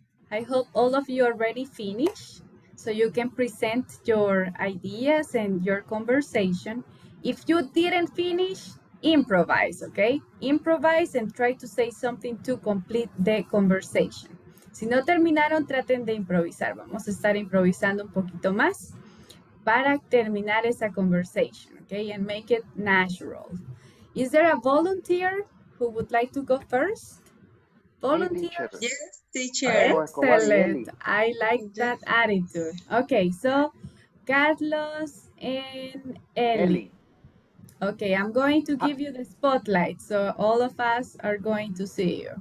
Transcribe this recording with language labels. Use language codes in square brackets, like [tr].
[en] I hope all of you already finished so you can present your ideas and your conversation. If you didn't finish, improvise, okay? Improvise and try to say something to complete the conversation. [es] Si no terminaron, traten de improvisar. Vamos a estar improvisando un poquito más para terminar esa conversation, okay? [en] And make it natural. Is there a volunteer who would like to go first? Volunteer? Yes, teacher. Excellent. I like that attitude. Okay, so Carlos and Ellie. Okay, I'm going to give you the spotlight, so all of us are going to see you.